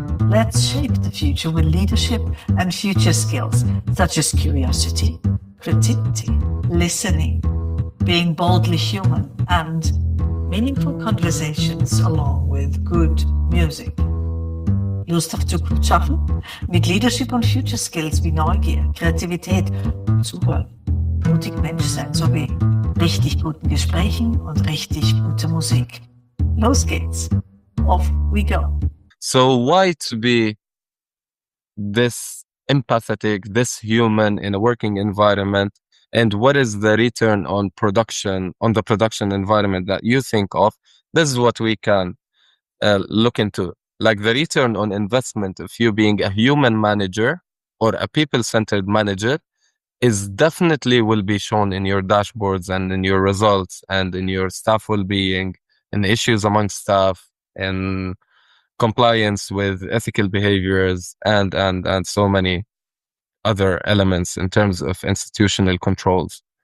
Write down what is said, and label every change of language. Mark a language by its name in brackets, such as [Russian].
[English] Let's shape the future with leadership and future skills, such as curiosity, creativity, listening, being boldly human, and meaningful conversations along with good music. [German] Lust auf Zukunft schaffen? Mit Leadership und Future Skills wie Neugier, Kreativität, super, mutig Mensch sein, sowie richtig guten Gesprächen und richtig gute Musik. Los geht's. [English] Off we go. So why to be this empathetic, this human in a working environment? And what is the return on production, on the production environment that you think of? This is what we can look into. Like the return on investment of you being a human manager or a people-centered manager is definitely will be shown in your dashboards and in your results and in your staff well-being and issues among staff and compliance with ethical behaviors and so many other elements in terms of institutional controls.